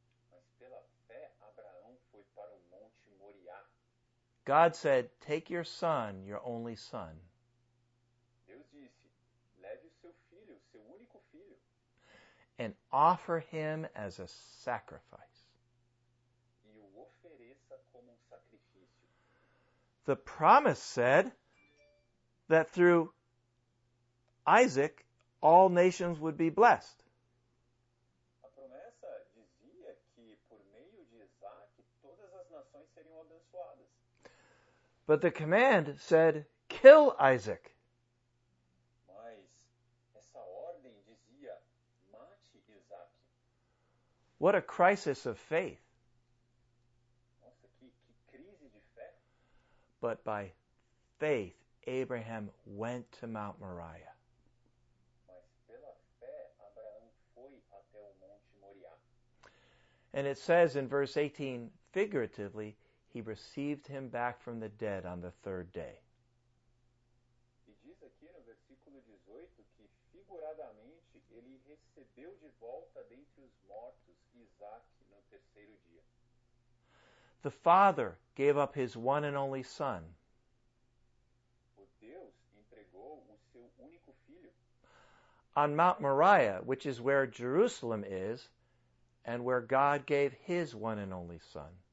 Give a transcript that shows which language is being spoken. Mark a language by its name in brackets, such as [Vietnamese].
[Portuguese] Mas pela fé, Abraão foi para o Monte Moriá. [English] God said, take your son, your only son. [Portuguese] Deus disse, leve o seu filho, seu único filho. [English] And offer him as a sacrifice. [Portuguese] E o ofereça como um sacrifício. [English] The promise said that through Isaac, all nations would be blessed. [Portuguese] A promessa dizia que por meio de Isaac todas as nações seriam abençoadas. [English] But the command said, kill Isaac. [Portuguese] Mas essa ordem Éden dizia, mate Isaac. [English] What a crisis of faith. [Portuguese] Nossa, que crise de fé. [English] But by faith, Abraham went to Mount Moriah. [Portuguese] Mas pela fé, Abraão foi até o Monte Moriah. [English] And it says in verse 18, figuratively, he received him back from the dead on the third day. [Portuguese] E diz aqui no versículo 18 que figuradamente ele recebeu de volta dentre os mortos Isaac no terceiro dia. [English] The Father gave up his one and only Son. [Portuguese] O Deus entregou o seu único filho. [English] On Mount Moriah, which is where Jerusalem is, and where God gave his one and only Son.